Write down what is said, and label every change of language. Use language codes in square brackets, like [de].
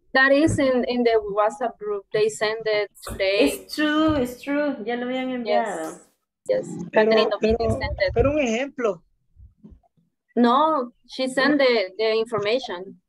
[en] That is in the WhatsApp group, they send it today. It's true, [es] ya lo habían enviado. [en] Yes, yes. [es] Pero un ejemplo. [en] No, she sent the information.